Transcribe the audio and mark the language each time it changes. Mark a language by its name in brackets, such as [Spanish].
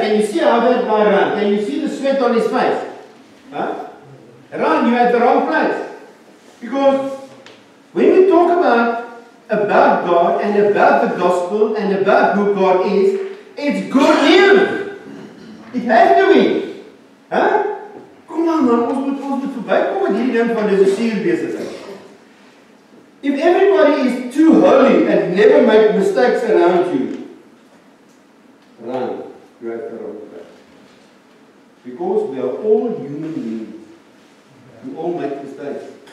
[English] Can you see how that guy ran? Can you see the sweat on his face? Huh? Run, you are at the wrong place. Because when we talk about God and about the gospel and about who God is, it's good news. It has to be. Huh? [Afrikaans] Kom nou man, ons moet verbykom met hierdie ding van dis 'n seer besigheid. [English] If everybody is too holy and never make mistakes around you, run, you have to run back. Because we are all human beings. We all make mistakes.